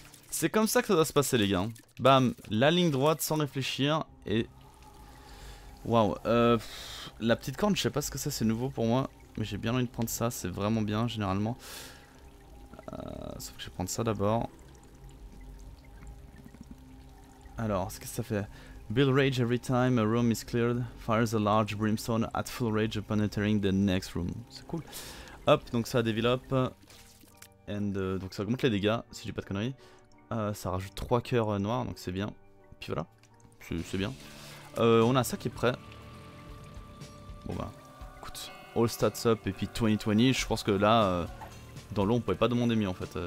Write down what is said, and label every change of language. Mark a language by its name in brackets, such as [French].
[French] C'est comme ça que ça doit se passer, les gars. Bam, la ligne droite sans réfléchir. Et... Waouh. La petite corne, je sais pas ce que c'est, c'est nouveau pour moi. Mais j'ai bien envie de prendre ça, c'est vraiment bien, généralement. Sauf que je vais prendre ça d'abord. Alors, qu'est-ce que ça fait? [English] Build rage every time a room is cleared. Fires a large brimstone at full rage upon entering the next room. [French] C'est cool. Hop, donc ça développe. And donc ça augmente les dégâts, si j'ai pas de conneries. Ça rajoute 3 cœurs noirs, donc c'est bien. Et puis voilà, c'est bien. On a ça qui est prêt. Bon bah, écoute, all stats up et puis 2020. Je pense que là, dans l'eau, on pouvait pas demander mieux en fait.